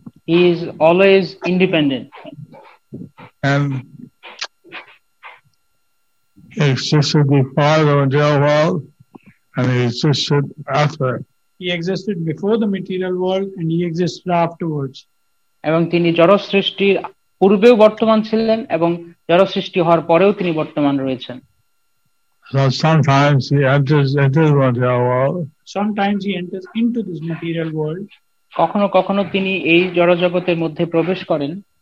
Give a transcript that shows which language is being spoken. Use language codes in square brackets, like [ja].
[en] He is always independent. And he existed before the material world and he existed after. He existed before the material world and he existed afterwards. [bn] এবং তিনি জড় সৃষ্টির পূর্বেও বর্তমান ছিলেন এবং জড় সৃষ্টি হওয়ার পরেও তিনি বর্তমান রয়েছেন. [en] So sometimes he enters into the material world. Sometimes he enters into this material world. [bn] কখনো কখনো তিনি এই জড় জগতের মধ্যে প্রবেশ করেন.